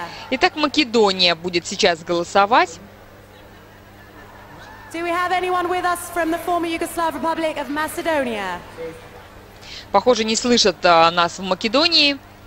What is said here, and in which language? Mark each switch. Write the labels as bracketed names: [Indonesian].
[Russian] Итак, Македония будет сейчас голосовать. [English] Do we have anyone with us from the former Yugoslav Republic of Macedonia? [Russian] Похоже, не слышат нас в Македонии.